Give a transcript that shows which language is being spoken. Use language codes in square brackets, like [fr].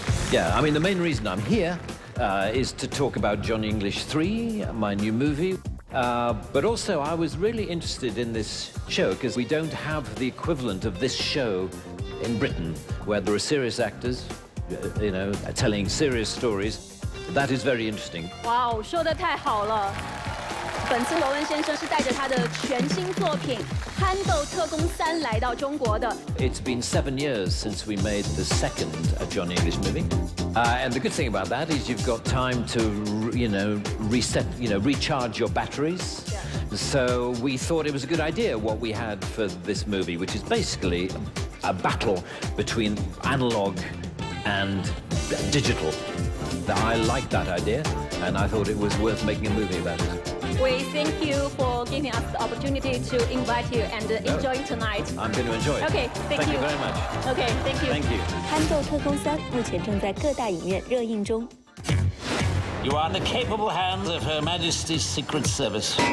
[en] Yeah, I mean, the main reason I'm here, is to talk about Johnny English 3, my new movie. But also, I was really interested in this show because we don't have the equivalent of this show in Britain, where there are serious actors, you know, telling serious stories. That is very interesting. [zh] Wow, 说得太好了。本次罗文先生是带着他的全新作品《憨豆特工三》来到中国的。 [en] It's been 7 years since we made the second Johnny English movie, and the good thing about that is you've got time to, you know, reset, you know, recharge your batteries. Yeah. So we thought it was a good idea what we had for this movie, which is basically a battle between analog and digital. I like that idea, and I thought it was worth making a movie about it. We thank you for giving us the opportunity to invite you and enjoy tonight. I'm going to enjoy. Okay, thank you very much. Thank you. [zh] 憨豆特工三目前正在各大影院热映中。 [en] You are in the capable hands of Her Majesty's Secret Service.